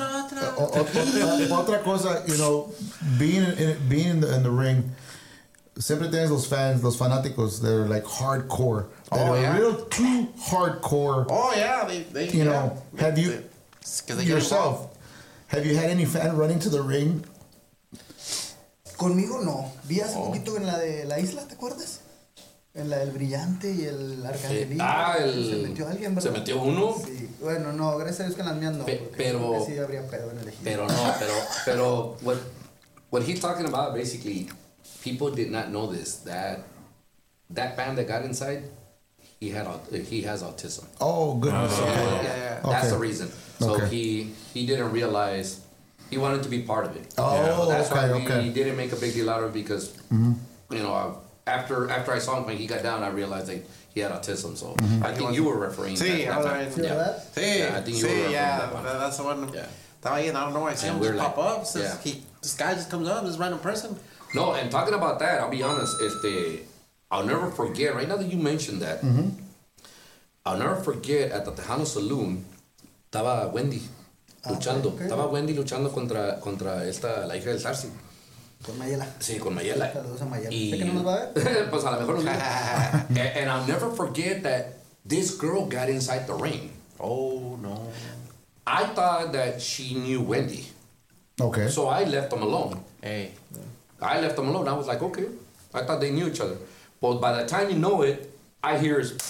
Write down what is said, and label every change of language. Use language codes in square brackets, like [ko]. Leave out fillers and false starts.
[es] Otra cosa, [en] you know, being in the ring. [es] Siempre tienes los fans, los fanáticos [en] that are like hardcore. Real too hardcore. Oh, yeah. They you know, yeah. Have you, they yourself, Have you had any fan running to the ring? [es] Conmigo no. Vi hace un poquito en la de la isla, ¿te acuerdas? En la del brillante y el arcángel. Sí. Ah, el... Se metió alguien, ¿verdad? ¿Se metió uno? Sí. Bueno, no, gracias a Dios que en las mías no. Pero... Sí, habría pedo en el ejido. Pero no, pero... [en] What he's talking about, basically, people did not know this, that band that got inside, he has autism. Oh, goodness. Yeah, yeah, yeah. Okay. That's the reason. So okay. he didn't realize, he wanted to be part of it. Oh, yeah. That's okay, why okay. He didn't make a big deal out of it because, mm-hmm. you know, after I saw him when he got down, I realized like he had autism. So mm-hmm. I think you were referring to that. Yeah. That? Yeah. Yeah, I think you were referring to that one. That's the one. Yeah. I don't know. I see and him just like, pop up. Says yeah. This guy just comes up. This random person. No, and talking about that, I'll be honest. I'll never forget. Right now that you mentioned that, mm-hmm. I'll never forget at the Tejano Saloon, [es] estaba Wendy luchando. [en] Okay. [es] Estaba Wendy luchando contra esta la hija del Tarsi. Con Mayela. Sí, con Mayela. Saludos a Mayela. ¿Sé que no nos va a ver? Pues a lo mejor no. [en] And I'll never forget that this girl got inside the ring. Oh no. I thought that she knew Wendy. Okay. So I left them alone. Hey. Yeah. I left them alone. I was like, okay. I thought they knew each other. But by the time you know it, I hear.